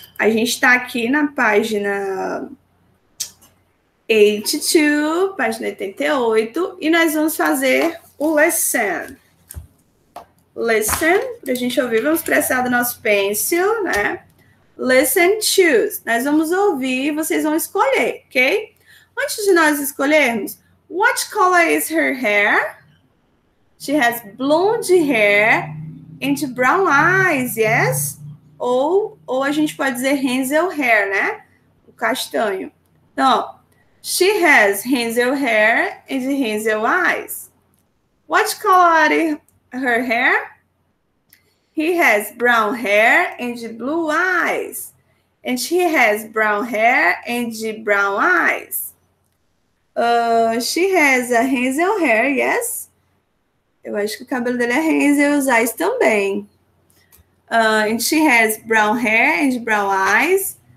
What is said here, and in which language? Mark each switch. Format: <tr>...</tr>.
<pt>A gente está aqui na página 82, página 88, e nós vamos fazer o lesson. Listen, para a gente ouvir, vamos precisar do nosso pencil, né?</pt> <en>Listen, choose.</en> <pt>Nós vamos ouvir e vocês vão escolher, ok? Antes de nós escolhermos,</pt> <en>what color is her hair? She has blonde hair and brown eyes, yes?</en> <pt>Ou a gente pode dizer Hazel hair, né? O castanho.</pt> <en>Então, she has Hazel hair and Hazel eyes. What color her hair? He has brown hair and blue eyes. And she has brown hair and brown eyes. She has a Hazel hair, yes?</en> <pt>Eu acho que o cabelo dele é Hazel e os eyes também.</pt> <en>And she has brown hair and brown eyes.</en>